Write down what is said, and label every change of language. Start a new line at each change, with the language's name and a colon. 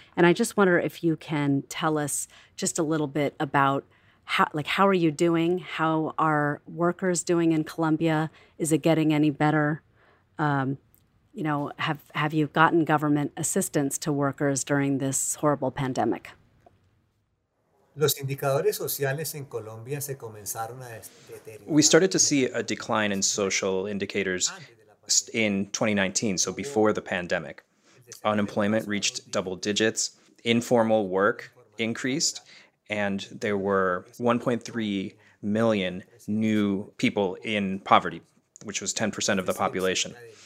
English: And I just wonder if you can tell us just a little bit about how are you doing? How are workers doing in Colombia? Is it getting any better? Have you gotten government assistance to workers during this horrible pandemic?
Spanish: Los indicadores sociales en Colombia se comenzaron a deteriorar.
English: We started to see a decline in social indicators in 2019, so before the pandemic. Unemployment reached double digits, informal work increased, and there were 1.3 million new people in poverty, which was 10% of the population.